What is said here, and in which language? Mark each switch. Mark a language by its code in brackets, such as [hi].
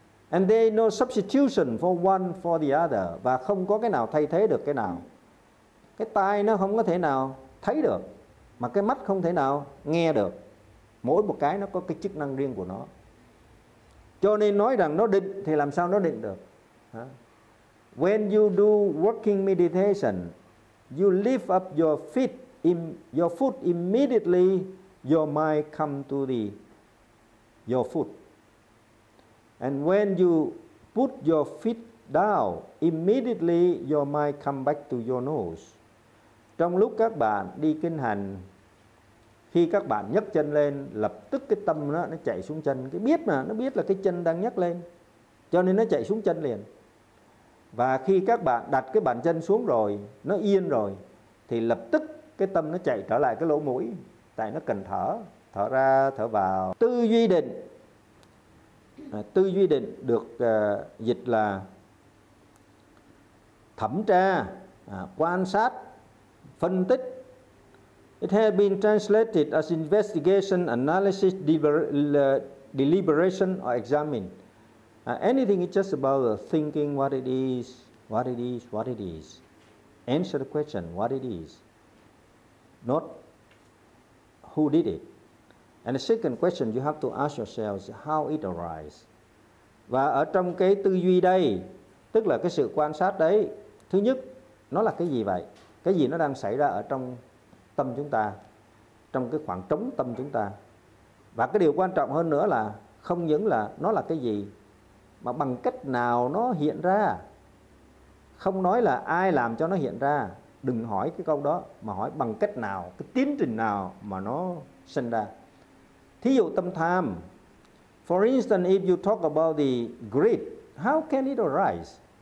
[en] And there is no substitution for one for the other, [vi] và không có cái nào [en] thay thế được cái nào. [vi] Cái tai nó không có thể nào thấy được, mà cái mắt không thể nào nghe được. Mỗi một cái nó có cái chức năng riêng của nó. Cho nên nói rằng nó định thì làm sao nó định được? [en] When you do walking meditation, you lift up your feet, your foot immediately, your mind come to the your foot. And when you put your feet down, immediately your mind come back to your nose. [vi] Trong lúc các bạn đi kinh hành, khi các bạn nhấc chân lên, lập tức cái tâm nó chạy xuống chân, cái biết mà nó biết là cái chân đang nhấc lên, cho nên nó chạy xuống chân liền. Và khi các bạn đặt cái bàn chân xuống rồi, nó yên rồi, thì lập tức cái tâm nó chạy trở lại cái lỗ mũi, tại nó cần thở, thở ra, thở vào. Tư duy định được dịch là thẩm tra, quan sát, phân tích, [en] It has been translated as investigation, analysis, deliberation, or examine. Anything is just about thinking what it is, what it is, what it is. Answer the question, what it is. Not who did it. And the second question you have to ask yourself is how it arise. [vi] Và ở trong cái tư duy đây, tức là cái sự quan sát đấy, thứ nhất, nó là cái gì vậy? Cái gì nó đang xảy ra ở trong tâm chúng ta, trong cái khoảng trống tâm chúng ta? Và cái điều quan trọng hơn nữa là không những là nó là cái gì, mà bằng cách nào nó hiện ra. Không nói là ai làm cho nó hiện ra, đừng hỏi cái câu đó, mà hỏi bằng cách nào, cái tiến trình nào mà nó sinh ra. Thí dụ tâm tham. [en] For instance, if you talk about the greed, how can it arise?